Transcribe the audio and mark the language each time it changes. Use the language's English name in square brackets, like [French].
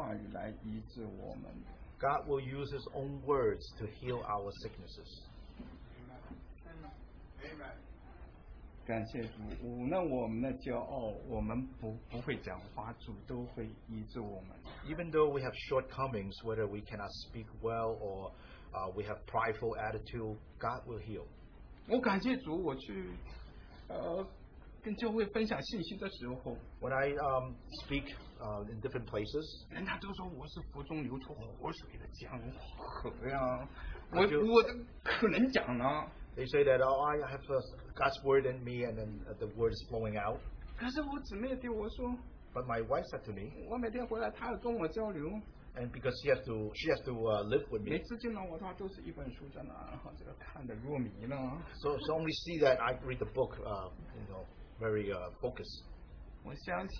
[Chinese] 主会借着这些话语来医治我们。 [English] God will use His own words to heal our sicknesses. Amen. [Chinese] 感谢主，无论我们的骄傲，我们不会讲话，主都会医治我们。 [English] Even though we have shortcomings, whether we cannot speak well or we have prideful attitude, God will heal. [Chinese] 我感谢主，我去跟教会分享信息的时候， [English] when I speak in different places, [Chinese] 人家都说我是腹中流出活水的江河呀，我怎么可能讲呢？ [English] They say that oh, I have God's word in me, and then the word is flowing out. [Chinese] 可是我姊妹对我说。 [English] But my wife said to me, [Chinese] 我每天回来，她要跟我交流。 [English] And because she has to live with me. [Chinese] 每次见到我的话，都是一本书在那，然后这个看得入迷了。 [English] So only see that I read the book, you know, very focused.